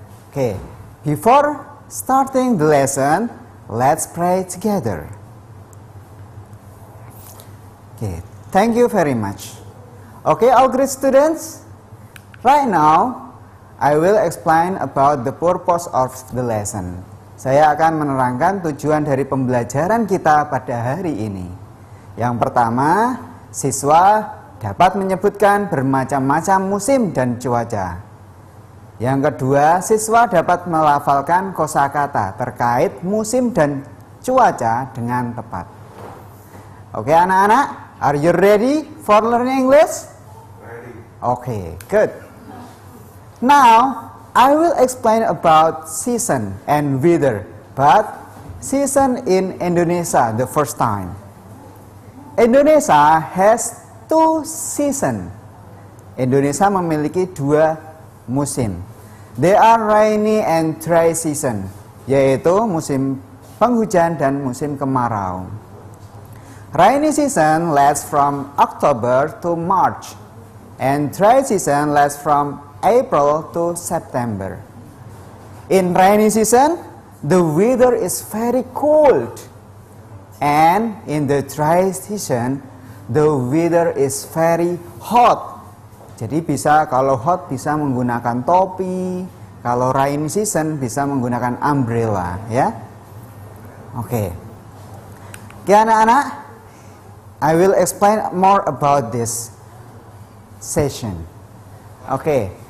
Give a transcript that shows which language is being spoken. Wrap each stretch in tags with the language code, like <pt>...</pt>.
<en>Okay, before starting the lesson, let's pray together. Okay, thank you very much. Okay, all great students, right now I will explain about the purpose of the lesson.</en> <id>Saya akan menerangkan tujuan dari pembelajaran kita pada hari ini. Yang pertama, siswa dapat menyebutkan bermacam-macam musim dan cuaca. Yang kedua, siswa dapat melafalkan kosakata terkait musim dan cuaca dengan tepat. Oke, anak-anak,</id> <en>are you ready for learning English? Ready. Oke, good. Now, I will explain about season and weather, but season in Indonesia the first time. Indonesia has two seasons.</en> <id>Indonesia memiliki dua musim.</id> <en>They are rainy and dry season,</en> <id>yaitu musim penghujan dan musim kemarau.</id> <en>Rainy season lasts from October to March, and dry season lasts from April to September. In rainy season, the weather is very cold, and in the dry season, the weather is very hot.</en> <id>Jadi bisa, kalau hot bisa menggunakan topi. Kalau</id> <en>rainy season</en> <id>bisa menggunakan umbrella, ya. Oke. Okay. Oke, anak-anak,</id> <en>I will explain more about this session. Oke. Okay.</en>